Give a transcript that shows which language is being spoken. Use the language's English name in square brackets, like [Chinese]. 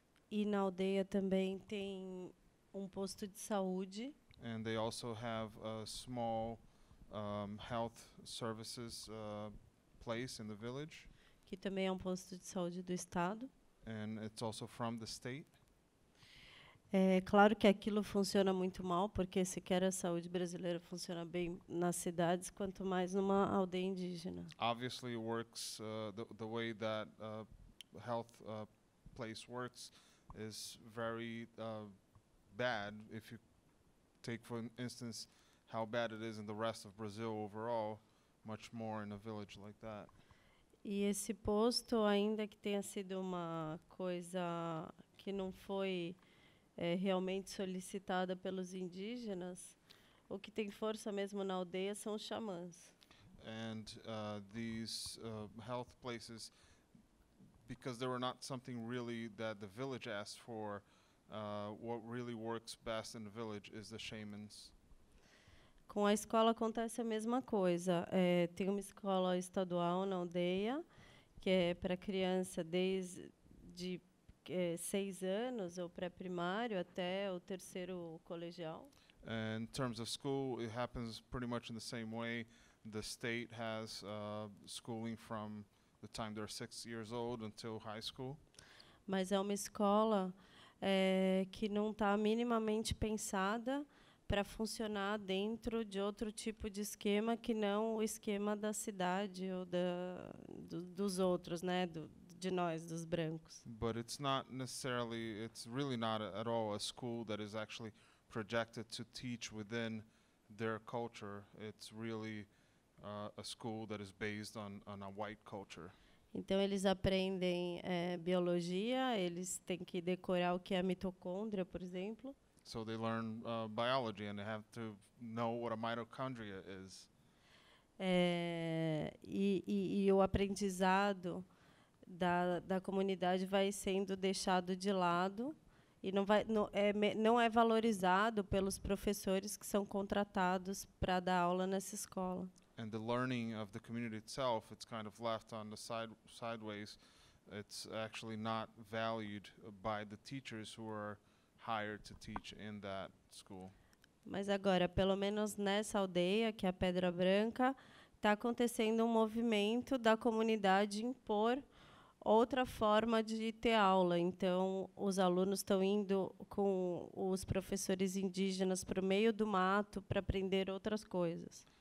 [Portuguese] E na aldeia também tem posto de saúde. [English] And they also have a small health services place in the village. [Portuguese] Que também posto de saúde do estado. [English] And it's also from the state. [Portuguese] Claro que aquilo funciona muito mal, porque sequer a saúde brasileira funciona bem nas cidades, quanto mais numa aldeia indígena. [English] Obviously it works, the way that health place works is very bad. If you take for instance how bad it is in the rest of Brazil overall, much more in a village like that. [Portuguese] E esse posto, ainda que tenha sido uma coisa que não foi realmente solicitada pelos indígenas, o que tem força mesmo na aldeia são os xamãs. [English] And these health places, because they were not something really that the village asked for, what really works best in the village is the shamans. [Portuguese] Com a escola acontece a mesma coisa. Tem uma escola estadual na aldeia, que é para criança desde 6 anos, ou pré-primário até o terceiro colegial. [English] In terms of school, it happens pretty much in the same way. The state has schooling from the time they're 6 years old until high school. [Portuguese] Mas é uma escola que não está minimamente pensada para funcionar dentro de outro tipo de esquema que não o esquema da cidade ou dos outros, né? De nós, dos brancos. [English] But it's not necessarily, it's really not at all a school that is actually projected to teach within their culture. It's really a school that is based on a white culture. [Portuguese] Então eles aprendem biologia, eles têm que decorar o que é mitocôndria, por exemplo. [English] So they learn biology and they have to know what a mitochondria is. [Portuguese] e o aprendizado da comunidade vai sendo deixado de lado e não é valorizado pelos professores que são contratados para dar aula nessa escola. [English] And the learning of the community itself, it's kind of left on the sideways. It's actually not valued by the teachers who are hired to teach in that school. [Portuguese] Mas agora, pelo menos nessa aldeia, que é a Pedra Branca, está acontecendo um movimento da comunidade impor outra forma de ter aula. Então, os alunos estão indo com os professores indígenas para o meio do mato para aprender outras coisas.